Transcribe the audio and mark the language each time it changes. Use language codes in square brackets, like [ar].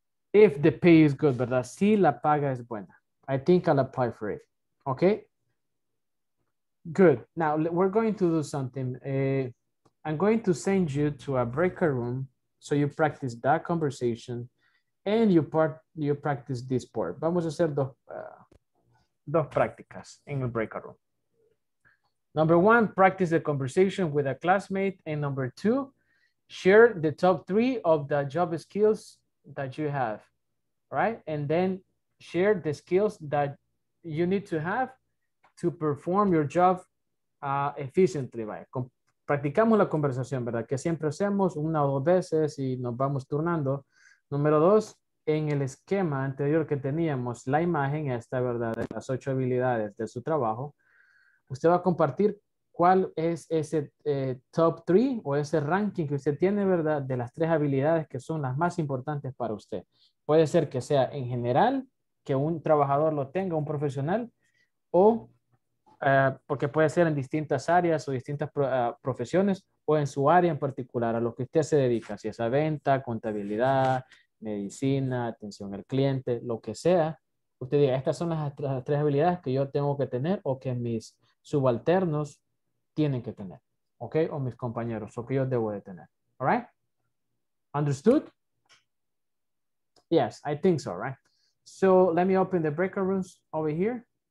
[en] If the pay is good, ¿verdad? [es] Si la paga es buena. [en] I think I'll apply for it. Okay? Good. Now, we're going to do something. I'm going to send you to a breakout room so you practice that conversation and you practice this part. [es] Vamos a hacer dos prácticas en el breakout room. [en] Number one, practice the conversation with a classmate. And number two, share the top three of the job skills that you have, right? And then share the skills that you need to have to perform your job efficiently, right? [es] Practicamos la conversación, ¿verdad? Que siempre hacemos una o dos veces y nos vamos turnando. Número dos, en el esquema anterior que teníamos, la imagen esta, ¿verdad? De las ocho habilidades de su trabajo. Usted va a compartir cuál es ese top three o ese ranking que usted tiene, ¿verdad? De las tres habilidades que son las más importantes para usted. Puede ser que sea en general, que un trabajador lo tenga, un profesional, o porque puede ser en distintas áreas o distintas profesiones o en su área en particular, a lo que usted se dedica, si es a venta, contabilidad, medicina, atención al cliente, lo que sea. Usted diga, estas son las tres habilidades que yo tengo que tener o que mis subalternos tienen que tener, ¿ok? O mis compañeros, o que yo debo de tener, ¿all right? [en] Understood? Yes, I think so, right? So, let me open the breakout rooms over here.